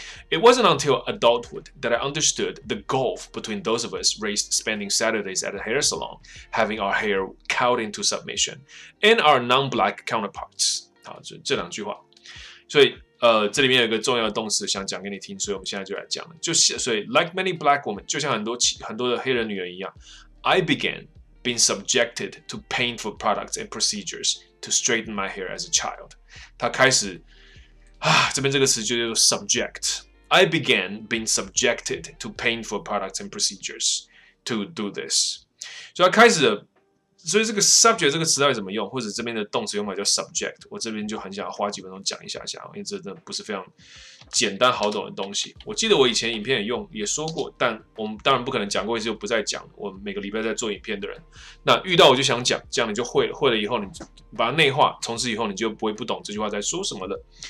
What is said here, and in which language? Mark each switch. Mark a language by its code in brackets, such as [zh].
[en] It wasn't until adulthood that I understood the gulf between those of us raised spending Saturdays at a hair salon, having our hair cowed into submission, and our non-black counterparts. [zh] 好，就这两句话。所以这里面有一个重要的动词想讲给你听，所以我们现在就来讲了。 [en] 所以 like many black women, [zh] 就像很多的黑人女人一样， [en] I began being subjected to painful products and procedures to straighten my hair as a child. [zh] 她开始这边这个词就叫做 subject。 [en] I began being subjected to painful products and procedures to do this。 [zh] 所以开始的，所以这个 subject 这个词到底怎么用，或者这边的动词用法叫 subject， 我这边就很想花几分钟讲一下，因为这真的不是非常简单好懂的东西。我记得我以前影片也说过，但我们当然不可能讲过一次就不再讲。我每个礼拜在做影片的人，那遇到我就想讲，这样你就会了，会了以后你把它内化，从此以后你就不会不懂这句话在说什么了。